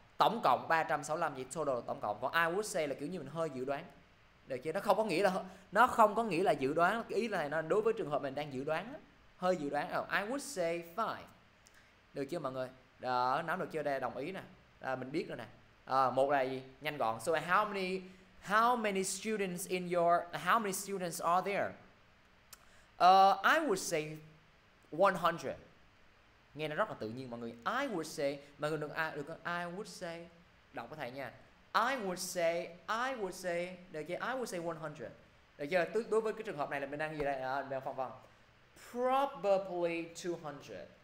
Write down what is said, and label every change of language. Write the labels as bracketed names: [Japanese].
[Vietnamese] Tổng cộng 365 gì? Total là tổng cộng. Còn I would say là kiểu như mình hơi dự đoán. Được chưa? Nó không có nghĩa là dự đoán, ý là nó đối với trường hợp mình đang dự đoán, hơi dự đoán. I would say 5. Được chưa mọi người? Đó, nắm được chưa? Đây đồng ý nè. À, mình biết rồi nè. À, một là gì? Nhanh gọn. [English] So how many students in your how many students are there? I would say 100. [Vietnamese] Nghe nó rất là tự nhiên mọi người. I would say đọc với thầy nha. [English] I would say [Vietnamese] được chưa? [English] I would say 100. [Vietnamese] Được chưa? Đối với cái trường hợp này là mình đang gì đây? Đang phong vòng. Probably 200.